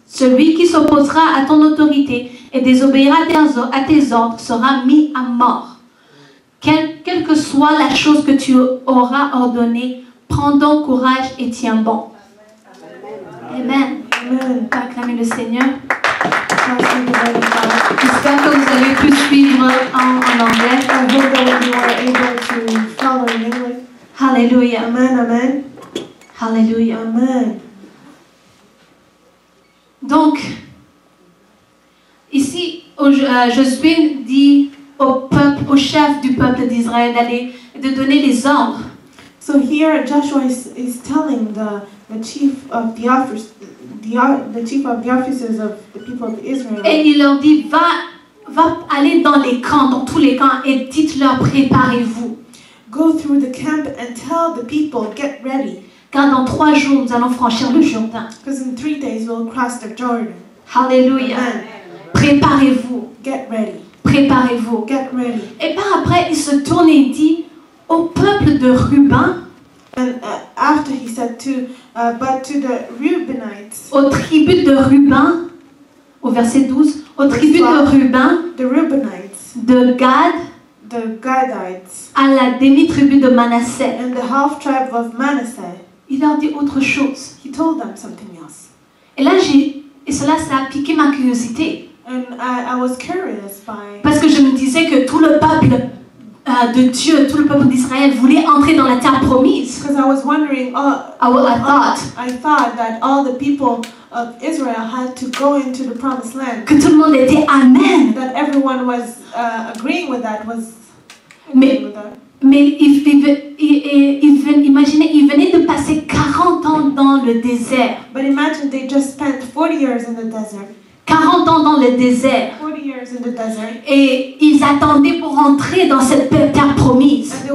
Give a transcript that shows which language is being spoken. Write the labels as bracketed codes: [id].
[fr] Celui qui s'opposera à ton autorité et désobéira à tes ordres sera mis à mort. Quelle que soit la chose que tu auras ordonnée, prends donc courage et tiens bon. Amen. Amen. Amen. Acclamez le Seigneur. Merci de votre parole. J'espère que vous avez pu suivre en anglais. [en] I hope that you are able to follow in English. Hallelujah. Amen, amen. Hallelujah. Amen. [fr] Donc, ici, Josué dit au peuple, au chef du peuple d'Israël d'aller de donner les ordres. [en] So here Joshua is telling the chief of the officers of the people of Israel. [fr] Et il leur dit va aller dans les camps, dans tous les camps et dites-leur préparez-vous. [en] Go through the camp and tell the people get ready. [fr] Car dans 3 jours nous allons franchir le Jourdain. [en] Because in 3 days we'll cross the Jordan. Hallelujah. Amen. [fr] Préparez-vous. [en] Get ready. [fr] Préparez-vous. [en] Get ready. [fr] Et par après, il se tourne et dit au peuple de Ruben. [en] And after he said to the Reubenites. [fr] Aux tribus de Ruben, au verset 12, aux tribus de Ruben. [en] The Reubenites. [fr] De Gad. [en] The Gadites. [fr] À la demi-tribu de Manassé. [en] And the half tribe of Manassé. [fr] Il leur dit autre chose. [en] He told them something else. [fr] Et là, ça a piqué ma curiosité. [en] And I was curious by... [fr] Parce que je me disais que tout le peuple de Dieu, tout le peuple d'Israël voulait entrer dans la terre promise. [en] Because I was wondering, I thought that all the people of Israel had to go into the promised land. [fr] Que tout le monde était amen. [en] That everyone was agreeing with that was. [fr] Mais imaginez, ils venaient de passer 40 ans dans le désert. [en] But imagine they just spent 40 years in the desert. [fr] 40 ans dans le désert. Et ils attendaient pour entrer dans cette terre promise.